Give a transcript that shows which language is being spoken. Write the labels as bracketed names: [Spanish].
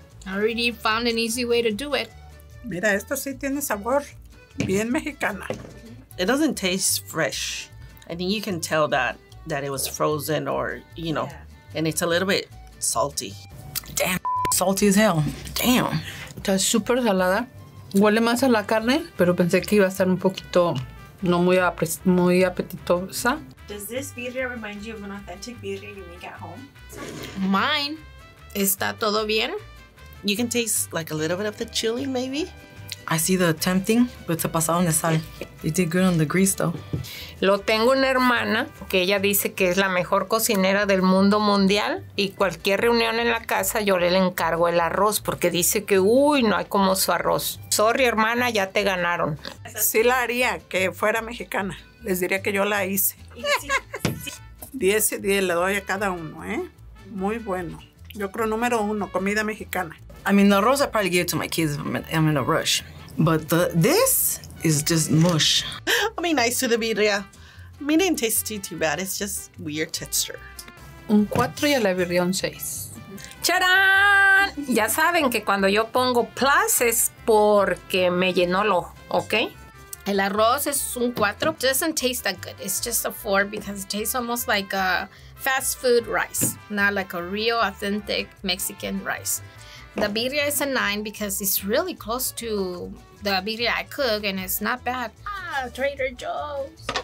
[English] I already found an easy way to do it. [Spanish] Mira, esto sí tiene sabor. Bien mexicana. [English] It doesn't taste fresh. I think you can tell that it was frozen or, you know, yeah. And it's a little bit salty. Damn, salty as hell. Damn. [Spanish] Está súper salada. Huele más a la carne, pero pensé que iba a estar un poquito... No muy muy apetitosa. [English] Does this birria remind you of an authentic birria you make at home? Mine. [Spanish] ¿Está todo bien? [English] You can taste like a little bit of the chili, maybe. I see the tempting, but [Spanish] se pasaron de sal. [English] It did good on the grease, though. [Spanish] Lo tengo una hermana que ella dice que es la mejor cocinera del mundo mundial y cualquier reunión en la casa yo le encargo el arroz porque dice que, uy, no hay como su arroz. [English] Sorry, [Spanish] hermana, ya te ganaron. Sí la haría que fuera mexicana. Les diría que yo la hice. 10 y 10 le doy a cada uno, ¿eh? Muy bueno. Yo creo número uno, comida mexicana. [English] I mean, the arroz I probably give it to my kids if I'm in a rush. But this is just mush. I'll be nice to the birria. I mean, it didn't taste too bad. It's just weird texture. [Spanish] Un 4 y a la birria un 6. ¡Charán! Ya saben que cuando yo pongo plus es porque me llenó el ojo, ¿ok? El arroz es un 4. [English] It doesn't taste that good. It's just a 4 because it tastes almost like a fast food rice, not like a real authentic Mexican rice. The birria is a 9 because it's really close to the birria I cook and it's not bad. Ah, Trader Joe's.